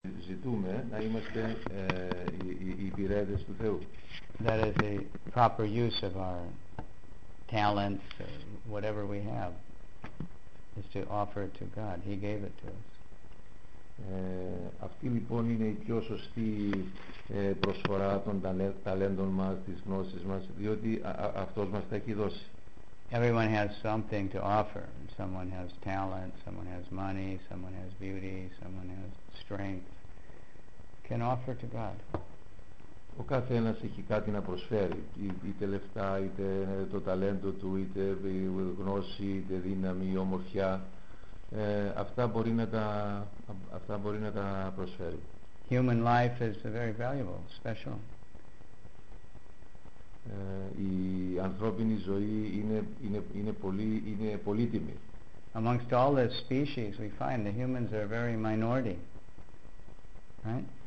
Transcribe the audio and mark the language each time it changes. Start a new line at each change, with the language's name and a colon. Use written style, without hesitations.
Greek: ζητούμε να είμαστε οι υπηρέτες του Θεού.
English: That is a proper use of our talents, whatever we have, is to offer it to God. He gave it to us.
Greek: Αυτή λοιπόν είναι η πιο σωστή προσφορά των ταλέντων μας, της γνώσης μας, διότι αυτός μας τα έχει δώσει.
English: Everyone has something to offer. Someone has talent, someone has money, someone has beauty, someone has strength. Can offer to God.
Greek: Ο καθένας έχει κάτι να προσφέρει, είτε λεφτά, είτε το ταλέντο του, είτε γνώση, είτε δύναμη, ομορφιά. Αυτά μπορεί να τα προσφέρει.
English: Human life is very valuable, special.
Greek: Η ανθρώπινη ζωή είναι πολύτιμη.
English: Amongst all the species, we find the humans are very minority, right?